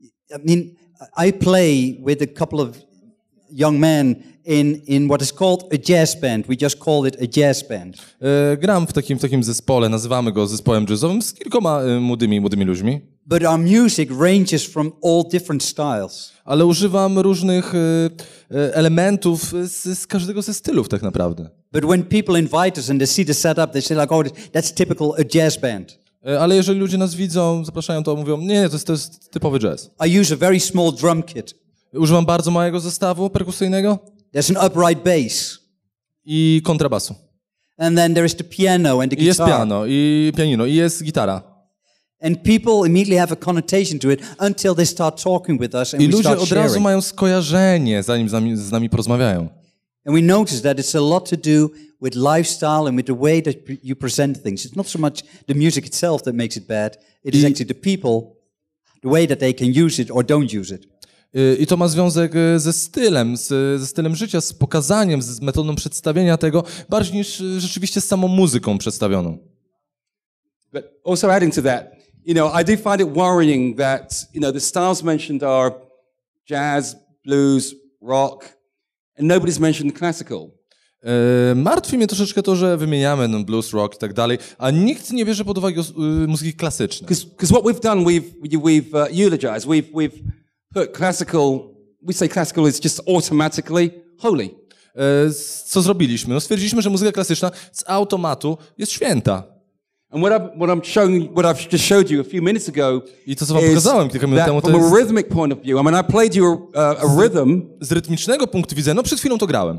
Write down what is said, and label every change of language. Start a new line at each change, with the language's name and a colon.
English: I mean, I play with a couple of young men in what is called a jazz band. We just call it a jazz band.
Polish: Gram w takim zespole, nazywamy go zespołem jazzowym, z kilkoma młodymi ludźmi.
English: But our music ranges from all different styles.
Polish: Ale używam różnych elementów z każdego ze stylów tak naprawdę.
English: But when people invite us and they see the setup, they say like, oh, that's typical a jazz band.
Polish: Ale jeżeli ludzie nas widzą, zapraszają, to mówią, nie, to jest typowy jazz.
English: I use a very small drum kit.
Polish: Używam bardzo małego zestawu perkusyjnego.
English: There's an upright bass.
Polish: I kontrabasu.
English: And then there is the piano and the guitar.
Polish: Jest piano i pianino i jest gitara.
English: And people immediately have a connotation to it until they start talking with us and we start sharing.
Polish: I ludzie od razu mają skojarzenie, zanim z nami porozmawiają.
English: And we notice that it's a lot to do with lifestyle and with the way that you present things. It's not so much the music itself that makes it bad. It is actually the people, the way that they can use it or don't use it.
Polish: I to ma związek ze stylem, ze stylem życia, z pokazaniem, z metodą przedstawienia tego, bardziej niż rzeczywiście z samą muzyką przedstawioną.
English: But also adding to that, you know, I do find it worrying that, you know, the styles mentioned are jazz, blues, rock, and nobody's mentioned classical.
Polish: Martwi mnie troszeczkę to, że wymieniamy blues, rock i tak dalej, a nikt nie bierze pod uwagę muzyki klasycznej.
English: Because what we've done, we've eulogized, we've look, classical, we say classical is just automatically holy.
Polish: Co zrobiliśmy? No stwierdziliśmy, że muzyka klasyczna z automatu jest święta.
English: And what I've just showed you a few minutes ago.
Polish: I to, co wam pokazałem kilka minut temu, to
English: from a rhythmic point of view. I mean, I played you a rhythm.
Polish: Z rytmicznego punktu widzenia, no przed chwilą to grałem.